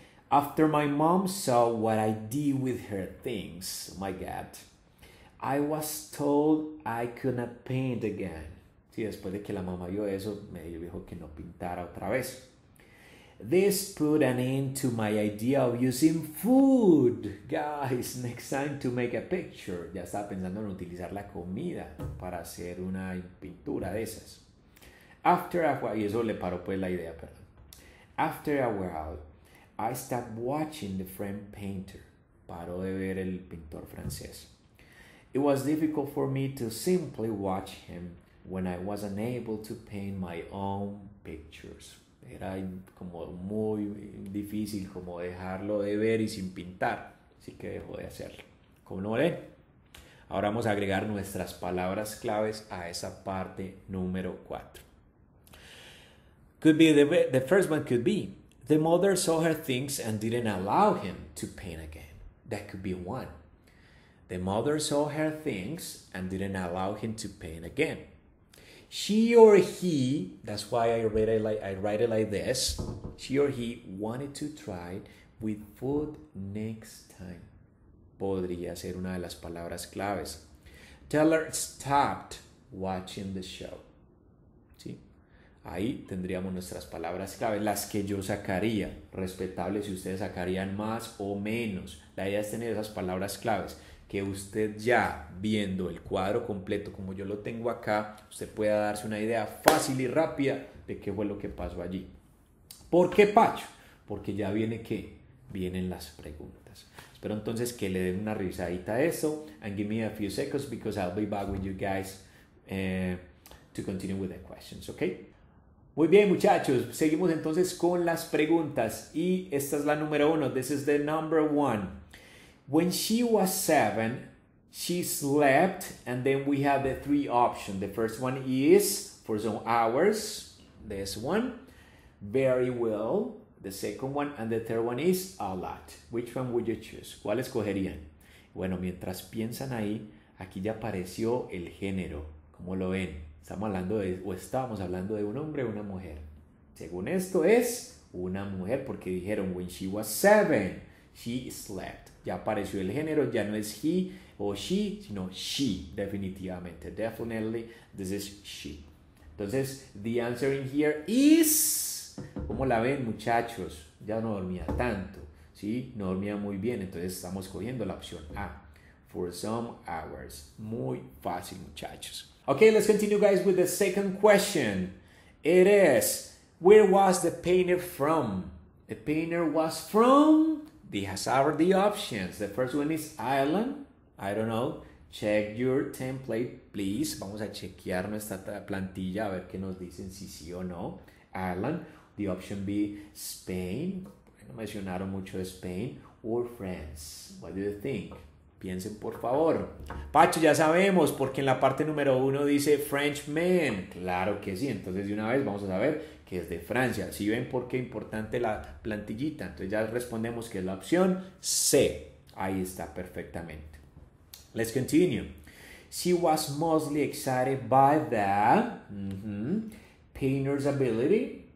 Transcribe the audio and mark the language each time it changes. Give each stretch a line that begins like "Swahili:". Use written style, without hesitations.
English: After my mom saw what I did with her things, my God, I was told I could not paint again.
Spanish: Sí, después de que la mamá vio eso, me dijo que no pintara otra vez.
English: This put an end to my idea of using food. Guys, next time to make a picture.
Spanish: Ya estaba pensando en utilizar la comida para hacer una pintura de esas.
English: After a while,
Spanish: y eso le paró pues la idea, perdón.
English: After a while, I stopped watching the French painter.
Spanish: Paró de ver el pintor francés.
English: It was difficult for me to simply watch him when I wasn't able to paint my own pictures.
Spanish: Era como muy difícil como dejarlo de ver y sin pintar. Así que dejó de hacerlo. ¿Cómo no ve? Ahora vamos a agregar nuestras palabras claves a esa parte número 4.
English: Could be the first one could be, the mother saw her things and didn't allow him to paint again. That could be one. The mother saw her things and didn't allow him to paint again. She or he, that's why I write it like this, she or he wanted to try with food next time.
Spanish: Podría ser una de las palabras claves. Teller
English: stopped watching the show.
Spanish: Ahí tendríamos nuestras palabras clave, las que yo sacaría, respetable si ustedes sacarían más o menos. La idea es tener esas palabras claves, que usted ya viendo el cuadro completo como yo lo tengo acá, usted pueda darse una idea fácil y rápida de qué fue lo que pasó allí. ¿Por qué, Pacho? Porque ya viene qué, vienen las preguntas. Espero entonces que le den una revisadita a eso.
English: And give me a few seconds because I'll be back with you guys to continue with the questions, okay?
Spanish: Muy bien, muchachos, seguimos entonces con las preguntas y esta es la número uno.
English: This is the number one. When she was 7, she slept and then we have the 3 options. The first one is for some hours, this one, very well, the second one and the third one is a lot. Which one would you choose?
Spanish: ¿Cuál escogerían? Bueno, mientras piensan ahí, aquí ya apareció el género, ¿cómo lo ven? Estamos hablando de, o estábamos hablando de un hombre o una mujer. Según esto es una mujer, porque dijeron,
English: when she was 7, she slept.
Spanish: Ya apareció el género, ya no es he o she, sino she, definitivamente.
English: Definitely, this is she.
Spanish: Entonces,
English: the answer in here is,
Spanish: ¿cómo la ven, muchachos? Ya no dormía tanto, ¿sí? No dormía muy bien, entonces estamos cogiendo la opción A.
English: For some hours.
Spanish: Muy fácil, muchachos.
English: Okay, let's continue, guys, with the second question. It is, where was the painter from? The painter was from, he has the options. The first one is Ireland. I don't know. Check your template, please.
Spanish: Vamos a chequear nuestra plantilla, a ver qué nos dicen si sí o no.
English: Ireland. The option B, Spain.
Spanish: No mencionaron mucho de Spain.
English: Or France. What do you think?
Spanish: Piensen, por favor. Pacho, ya sabemos, porque en la parte número uno dice French man. Claro que sí. Entonces, de una vez vamos a saber que es de Francia. Si ¿Sí ven por qué es importante la plantillita? Entonces, ya respondemos que es la opción C. Ahí está perfectamente.
English: Let's continue. She was mostly excited by the painter's ability.